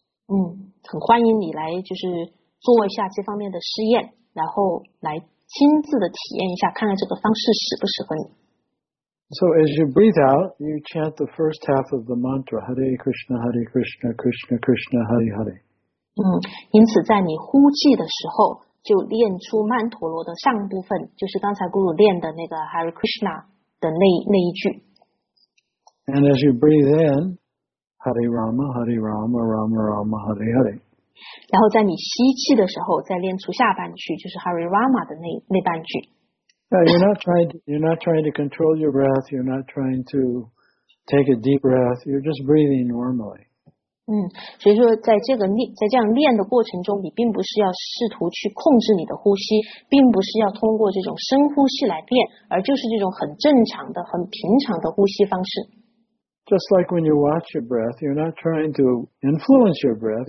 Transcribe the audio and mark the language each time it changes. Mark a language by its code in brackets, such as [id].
[zh] 很欢迎你来就是做一下这方面的试验，然后来亲自的体验一下，看看这个方式适不适合你。 [en] So as you breathe out, you chant the first half of the mantra, [sa] Hare Krishna, Hare Krishna, Krishna Krishna, Hare Hare. [zh] 因此在你呼气的时候，就练出曼陀罗的上部分，就是刚才咕噜练的那个 Hare Krishna 的那一句。 [en] And as you breathe in, [sa] Hare Rama, Hare Rama, Rama Rama, Hare Hare. [zh] 然后在你吸气的时候再练出下半句，就是 Hari Rama 的 那半句。 [en] You're not trying to control your breath. You're not trying to take a deep breath. You're just breathing normally. [zh] 所以说在这个在这样练的过程中，你并不是要试图去控制你的呼吸，并不是要通过这种深呼吸来练，而就是这种很正常的、很平常的呼吸方式。 [en] Just like when you watch your breath, you're not trying to influence your breath.